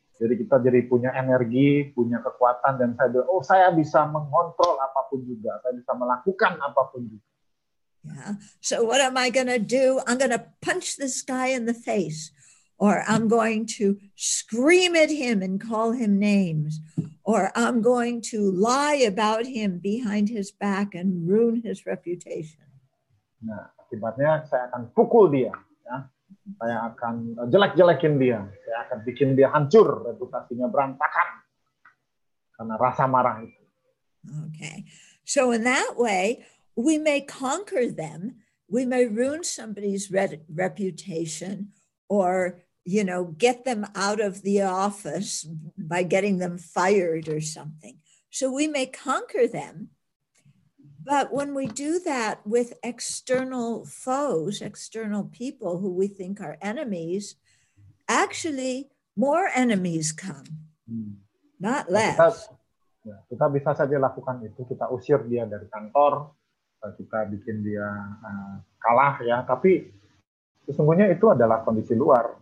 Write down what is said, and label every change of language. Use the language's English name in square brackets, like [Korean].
[Indonesian] Jadi kita jadi punya energi, punya kekuatan, dan saya bisa mengontrol apapun juga, saya bisa melakukan apapun juga. [English] Yeah. So what am I gonna do? I'm gonna punch this guy in the face, or I'm going to scream at him and call him names. Or I'm going to lie about him behind his back and ruin his reputation. [Indonesian] Nah, akibatnya saya akan pukul dia, ya. Saya akan jelek-jelekin dia. Saya akan bikin dia hancur, reputasinya berantakan karena rasa marah itu. [English] Okay. So in that way, we may conquer them. We may ruin somebody's reputation, or get them out of the office by getting them fired or something. So we may conquer them, but when we do that with external foes, external people who we think are enemies, actually more enemies come, not less. [Indonesian] Kita bisa saja lakukan itu, kita usir dia dari kantor, kita bikin dia kalah, ya, tapi sesungguhnya itu adalah kondisi luar.